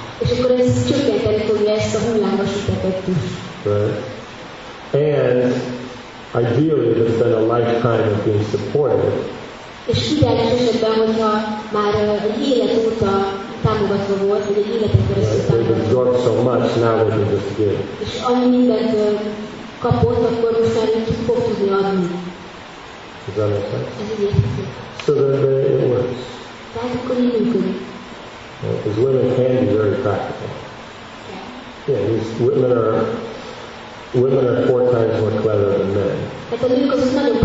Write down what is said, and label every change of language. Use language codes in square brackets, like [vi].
[en] Right. And ideally, it has been a lifetime of being supported. [hu] És ideális esetben, hogyha már egy élet óta támogatva volt, vagy egy életen keresztül támogatva. [en] So much, now we can just give. [hu] És annyi mindent kapott, akkor most már ki fog tudni adni. [en] Is that [hu] ez így [en] so then it works. [hu] Tehát akkor így működik. [en] Because women can be very practical. Yeah. Yeah, these women are four times more clever than men.